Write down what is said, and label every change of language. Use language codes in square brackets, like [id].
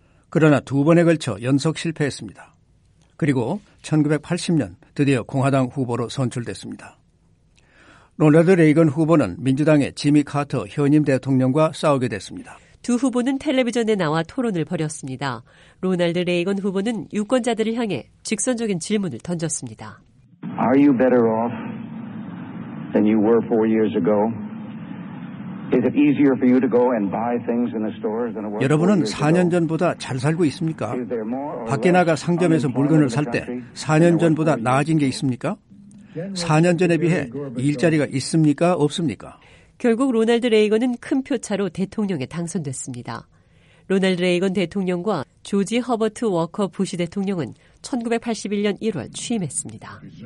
[ko] 그러나 두 번에 걸쳐 연속 실패했습니다. 그리고 1980년 드디어 공화당 후보로 선출됐습니다. 로널드 레이건 후보는 민주당의 지미 카터 현임 대통령과 싸우게 됐습니다. 두 후보는 텔레비전에 나와 토론을 벌였습니다. 로널드 레이건 후보는 유권자들을 향해 직선적인 질문을 던졌습니다. [en] Are you better off than you were four years ago? Is it easier for you to go and buy things in the stores than it was? [ko] 여러분은 4년 전보다 잘 살고 있습니까? 밖에 나가 상점에서 물건을 살 때 4년 전보다 나아진 게 있습니까? 4년 전에 비해 일자리가 있습니까? 없습니까? 결국 로널드 레이건은 큰 표차로 대통령에 당선됐습니다. 로널드 레이건 대통령과 조지 허버트 워커 부시 대통령은 1981년 1월 취임했습니다.